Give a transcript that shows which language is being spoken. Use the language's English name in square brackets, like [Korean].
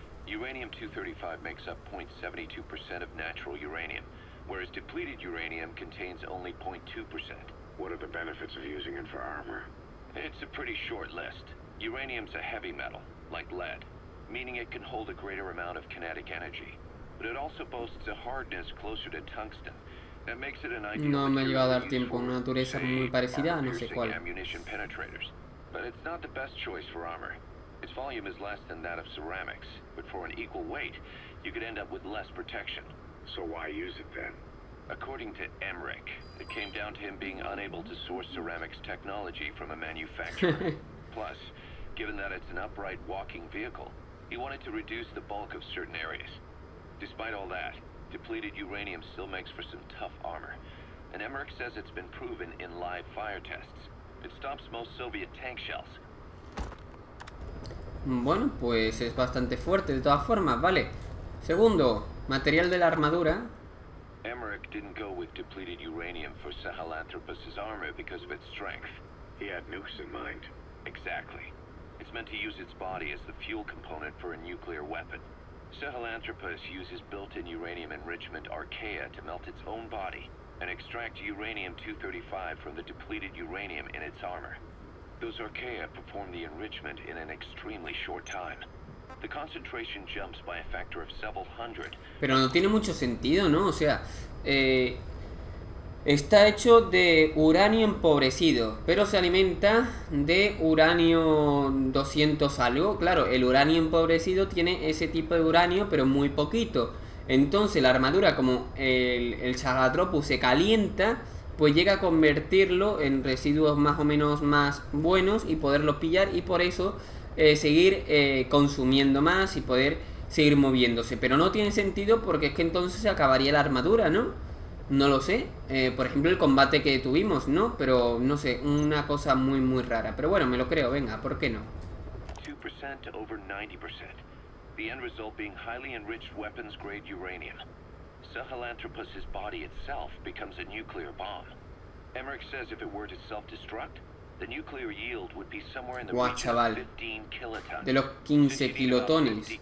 [English] Uranium-235 makes up 0.72% of natural uranium, whereas depleted uranium contains only 0.2%. What are the benefits of using it for armor? It's a pretty short list. Uranium's a heavy metal, like lead, meaning it can hold a greater amount of kinetic energy. But it also boasts a hardness closer to tungsten. That makes it an ideal. [Spanish] No me iba a dar tiempo, una dureza muy parecida, no sé cuál. [English] Ammunition penetrators. But it's not the best choice for armor. Its volume is less than that of ceramics, but for an equal weight, you could end up with less protection. So why use it then? According to Emmerich, it came down to him being unable to source ceramics technology from a manufacturer. Plus, given that it's an upright walking vehicle, he wanted to reduce the bulk of certain areas. Despite all that, depleted uranium still makes for some tough armor. And Emmerich says it's been proven in live fire tests. It stops most Soviet tank shells. [Spanish] Bueno, pues es bastante fuerte de todas formas, vale. Segundo, material de la armadura. [English] Emmerich didn't go with depleted uranium for Sahelanthropus's armor because of its strength. He had nukes in mind. Exactly. It's meant to use its body as the fuel component for a nuclear weapon. Sahelanthropus uses built-in uranium enrichment archaea to melt its own body and extract uranium-235 from the depleted uranium in its armor. Those archaea perform the enrichment in an extremely short time. The concentration jumps by a factor of several hundred. [Spanish] Pero no tiene mucho sentido, ¿no? O sea, está hecho de uranio empobrecido, pero se alimenta de uranio 200 algo. Claro, el uranio empobrecido tiene ese tipo de uranio, pero muy poquito. Entonces la armadura, como el Chahalatropus se calienta, pues llega a convertirlo en residuos más o menos más buenos y poderlo pillar y por eso seguir consumiendo más y poder seguir moviéndose. Pero no tiene sentido porque es que entonces se acabaría la armadura, ¿no? No lo sé, por ejemplo el combate que tuvimos, ¿no? Pero no sé, una cosa muy muy rara. Pero bueno, me lo creo, venga, ¿por qué no? [English] 2% over 90%. The end result being highly enriched weapons-grade uranium. Sahelanthropus's body itself becomes a nuclear bomb. Emmerich says if it were to self-destruct, the nuclear yield would be somewhere in the region of 15 kilotons. [Spanish] De los 15 kilotones. [English] 50